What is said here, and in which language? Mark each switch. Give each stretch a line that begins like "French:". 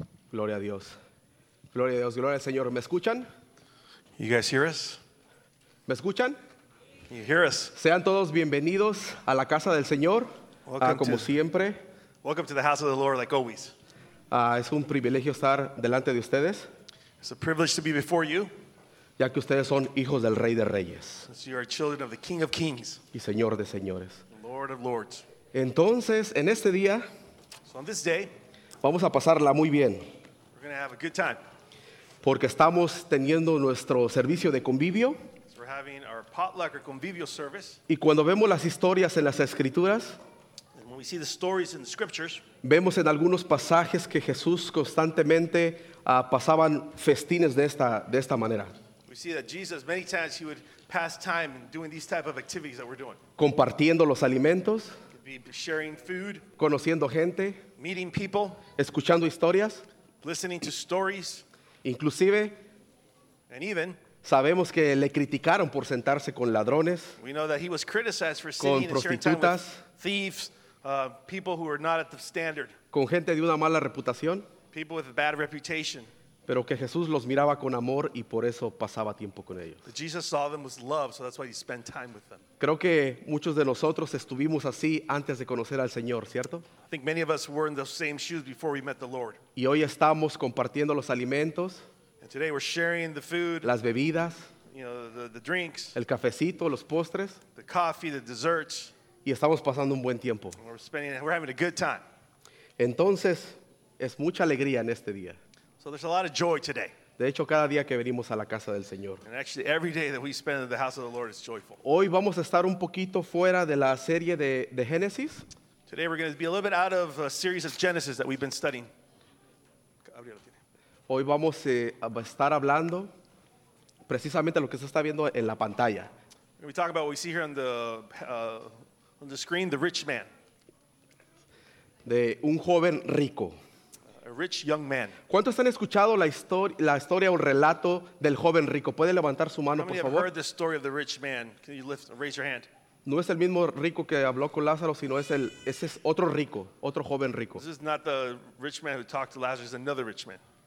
Spanish: Gloria a Dios. Gloria a Dios. Gloria al Señor. ¿Me escuchan?
English: You guys hear us?
Spanish: ¿Me escuchan?
English: Can you hear us?
Spanish: Sean todos bienvenidos a la casa del Señor, como siempre.
English: Welcome to the house of the Lord, like always.
Spanish: Es un privilegio estar delante de ustedes.
English: It's a privilege to be before you.
Spanish: Ya que ustedes son hijos del Rey de Reyes.
English: So you are children of the King of Kings.
Spanish: Y Señor de Señores.
English: Lord of Lords.
Spanish: Entonces, en este día,
English: so on this day,
Spanish: vamos a pasarla muy bien.
English: We're going to have a good time.
Spanish: Porque estamos teniendo nuestro servicio de convivio.
English: So we're having our potluck or convivial service.
Spanish: Y cuando vemos las historias en las escrituras,
English: and when we see the stories in the scriptures,
Spanish: vemos en algunos pasajes que Jesús constantemente pasaban festines de esta manera.
English: We see that Jesus many times he would pass time doing these type of activities that we're doing.
Spanish: Compartiendo los alimentos,
English: sharing food,
Spanish: conociendo gente,
English: meeting people,
Spanish: escuchando historias,
English: listening to stories,
Spanish: inclusive,
English: and even,
Spanish: sabemos que le criticaron por sentarse con ladrones,
English: we know that he was criticized for sitting and sharing time with thieves, people who are not at the standard,
Spanish: con gente de una mala reputación,
English: people with a bad reputation,
Spanish: pero que Jesús los miraba con amor y por eso pasaba tiempo con ellos.
English: That Jesus saw them with love, so that's why he spent time with them.
Spanish: Creo que muchos de nosotros estuvimos así antes de conocer al Señor, ¿cierto?
English: I think many of us were in the same shoes before we met the Lord.
Spanish: Y hoy estamos compartiendo los alimentos,
English: and today we're sharing the food,
Spanish: las bebidas,
English: you know, the drinks,
Spanish: el cafecito, los postres,
English: the coffee, the desserts,
Spanish: y estamos pasando un buen tiempo.
English: We're having a good time.
Spanish: Entonces, es mucha alegría en este día.
English: So there's a lot of joy today.
Spanish: De hecho, cada día que venimos a la casa del Señor.
English: And actually, every day that we spend in the house of the Lord is joyful.
Spanish: Hoy vamos a estar un poquito fuera de la serie de Génesis.
English: Today we're going to be a little bit out of a series of Genesis that we've been studying.
Spanish: Hoy vamos a estar hablando precisamente lo que se está viendo en la pantalla.
English: We talk about what we see here on the screen, the rich man.
Spanish: De un joven rico.
English: A rich young man.
Spanish: ¿Cuántos han escuchado la historia o el relato del joven rico? ¿Puede levantar su mano, por favor?
English: How many have heard the story of the rich man? Can you raise your hand?
Spanish: No es el mismo rico que habló con Lázaro, sino ese es otro rico, otro joven rico.
English: This is not the rich man who talked to Lazarus, another rich man.